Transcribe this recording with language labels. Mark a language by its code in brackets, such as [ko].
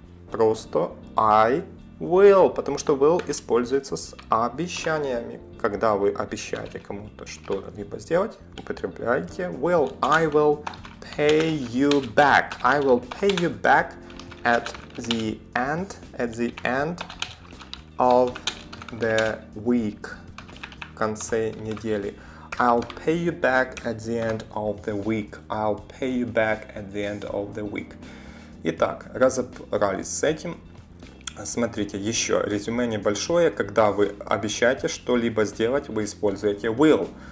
[ru] Просто [en] I will. [ru] Потому что will используется с обещаниями. Когда вы обещаете кому-то что-либо сделать, употребляйте will. [en] I will pay you back. I will pay you back at the end of the week. [ru] В конце недели. [en] I'll pay you back at the end of the week. I'll pay you back at the end of the week. [ru] Итак, разобрались с этим. Смотрите, еще резюме небольшое. Когда вы обещаете что-либо сделать, вы используете will.